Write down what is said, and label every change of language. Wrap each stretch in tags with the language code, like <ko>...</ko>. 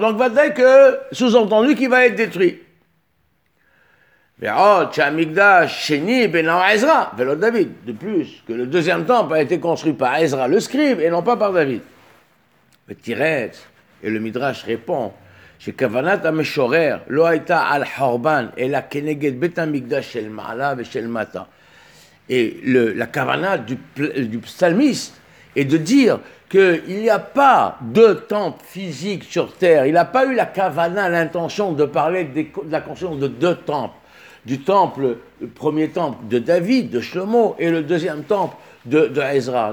<fr>Donc, Vadaï, que sous-entendu, qu'il va être détruit. De plus, que le deuxième temple a été construit par Ezra, le scribe, et non pas par David. Et le Midrash répond</fr> <he>שכוונת המשורר לא הייתה על חורבן, אלא כנגד בית המקדש של מעלה ושל מטה.</he> <fr>Et la kavana du psalmiste est de dire qu'il n'y a pas de temple physique sur terre. Il n'a pas eu la kavana, l'intention de parler de la construction de deux temples. Du temple, le premier temple de David, de Shlomo, et le deuxième temple de Ezra.</fr>